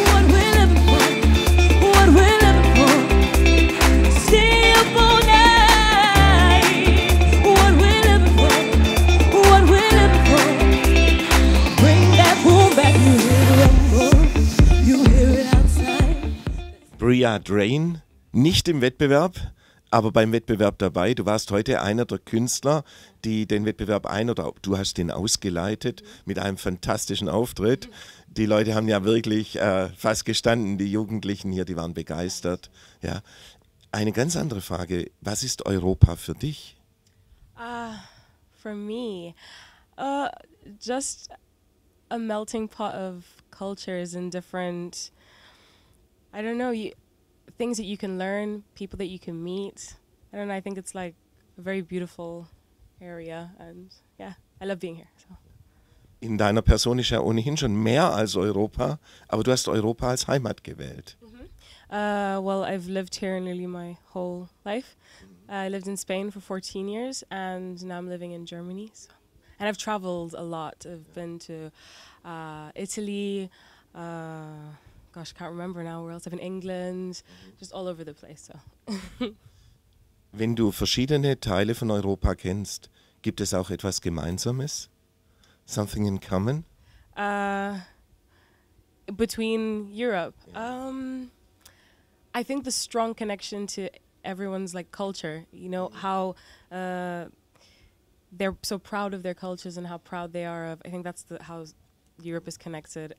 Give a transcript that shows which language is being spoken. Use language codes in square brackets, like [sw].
[en] What we're living for. What we're living for. Stay up all night. What we're living for. What we're living for. Bring that boom back, you hear the rumble. You hear it. [de] Bria Drain, nicht im Wettbewerb, aber beim Wettbewerb dabei. Du warst heute einer der Künstler, die den Wettbewerb ein- oder du hast ihn ausgeleitet mit einem fantastischen Auftritt. Die Leute haben ja wirklich fast gestanden, die Jugendlichen hier, die waren begeistert. Ja. Eine ganz andere Frage, was ist Europa für dich? [en] For me, just a melting pot of cultures and different... I don't know, things that you can learn, people that you can meet. I don't know, I think it's like a very beautiful area, and yeah, I love being here. So. [de] In deiner Person ist ja ohnehin schon mehr als Europa, aber du hast Europa als Heimat gewählt. [en] Mm-hmm. Well, I've lived here nearly my whole life. I lived in Spain for 14 years, and now I'm living in Germany. So. And I've traveled a lot. I've been to Italy, gosh, I can't remember now, where else, I've been in England, just all over the place. So. [de] Wenn du verschiedene Teile von Europa kennst, gibt es auch etwas Gemeinsames? [en] Something in common? Between Europe? Yeah. I think the strong connection to everyone's like culture, you know, how they're so proud of their cultures and how proud they are of, I think that's the, how Europe is connected.